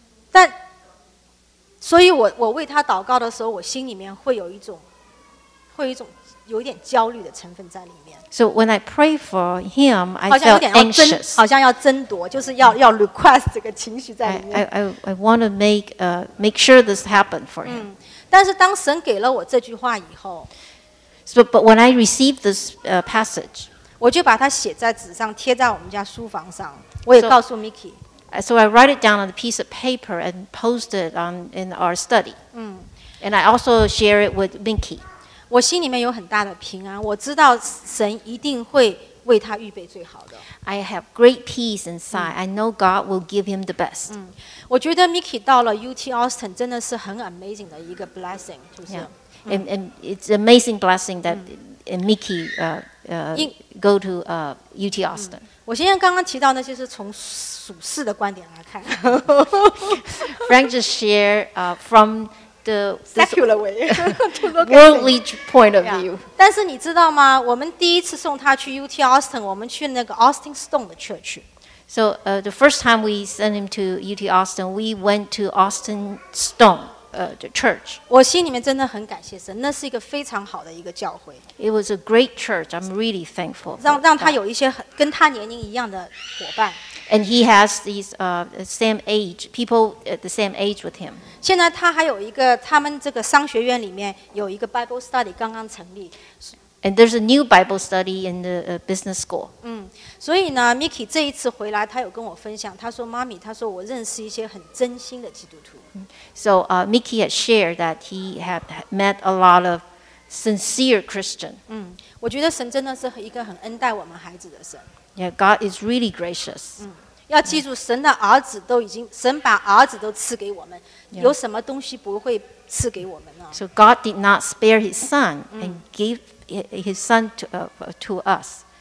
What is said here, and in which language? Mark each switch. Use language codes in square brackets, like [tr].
[zh] 但所以我为他祷告的时候，我心里面会有一种有点焦虑的成分在里面。 [en] So when I pray for him, I felt anxious. [zh] 好像要争夺，就是要 request 这个情绪在里面。 [en] I want to make sure this happened for him. [zh] 但是当神给了我这句话以后 [en] ，But when I received this passage, [zh] 我就把它写在纸上，贴在我们家书房上。我也告诉 Mickey. [en] So I write it down on a piece of paper and post it in our study. And I also share it with Mickey. [zh] 我心里面有很大的平安，我知道神一定会为他预备最好的。 [en] I have great peace inside. I know God will give him the best. [zh] 我觉得 Mickey 到了 UT Austin 真的是很 amazing 的一个 blessing， 就是。 [en] And it's amazing blessing that Mickey go to UT Austin. [zh] 我现在刚刚提到那些是从属世的观点来看。 [en] Frank just shared from. The worldly point of view. [zh] 但是你知道吗？我们第一次送他去 UT Austin， 我们去那个 Austin Stone 的 church. [en] So the first time we sent him to UT Austin, we went to Austin Stone the church. [zh] 我心里面真的很感谢神，那是一个非常好的一个教会。 [en] It was a great church. I'm really thankful. [zh] 让他有一些跟他年龄一样的伙伴。 [en] And he has these same age people at the same age with him. [zh] 现在他还有一个，他们这个商学院里面有一个 Bible study 刚刚成立。 [en] And there's a new Bible study in the business school. [zh] 所以呢 ，Mickey 这一次回来，他有跟我分享，他说：“妈咪，他说我认识一些很真心的基督徒。” [en] So Mickey had shared that he had met a lot of sincere Christian. [zh] 我觉得神真的是一个很恩待我们孩子的神。 [en] Yeah, God is really gracious. [zh] 要记住神的儿子都已经神把儿子都赐给我们、 [en] yeah. [zh] 有什么东西不会赐给我们呢 [en] So God did not spare his son and give his son to us、